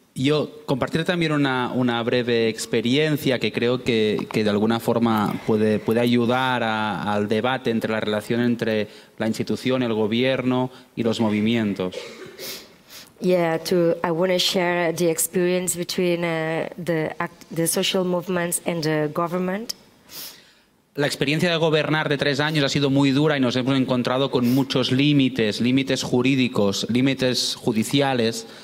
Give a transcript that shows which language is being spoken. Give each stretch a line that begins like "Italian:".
Spanish: Yo compartiré también una breve experiencia que creo que de alguna forma puede ayudar al debate entre la relación entre la institución, el gobierno y los movimientos.
English: Yeah, I want to share the experience between the social movements and the government.
Spanish: La experiencia de gobernar de 3 años ha sido muy dura y nos hemos encontrado con muchos límites, límites jurídicos, límites judiciales.